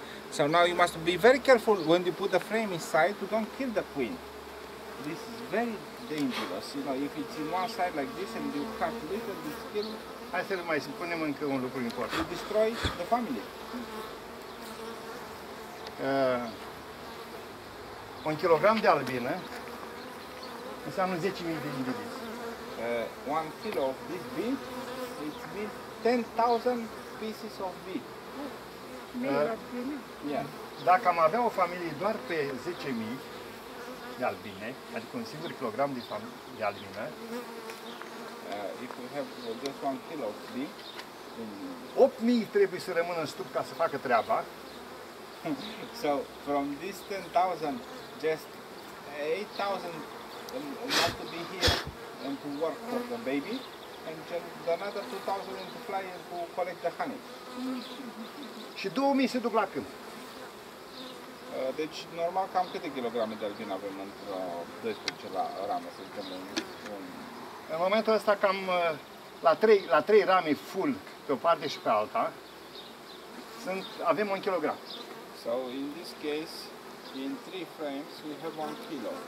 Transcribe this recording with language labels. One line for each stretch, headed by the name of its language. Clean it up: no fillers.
English: So now you must be very careful when you put the frame inside to don't kill the queen. This is very dangerous. You know, if it's in one side like this and you cut little, this kill
Romanian: Hai să mai spunem încă un lucru important.
English: You destroy the family.
Romanian: Un kilogram de albine înseamnă 10.000 de indivizi.
English: One kilo of this bean, it's been 10,000 pieces of bean.
Romanian: Dacă am avea o familie doar pe 10.000 de albine, adică un singur kilogram de, de albine,
English: if we have just one kilo of bean,
Romanian: 8.000 trebuie să rămână în stup ca să facă treaba.
English: So, from this 10,000, just 8,000 not to be here and to work for the baby, and just another 2,000 to fly and to collect the honey.
Romanian: Și 2.000 se duc la câmp. Deci, normal, cam câte kilograme de albine avem într-o 12 la ramă, să zicem? În momentul ăsta, cam la 3 rame full, pe o parte și pe alta, avem un kilogram.
English: So, in this case, in 3 frames, we have 1 kilo.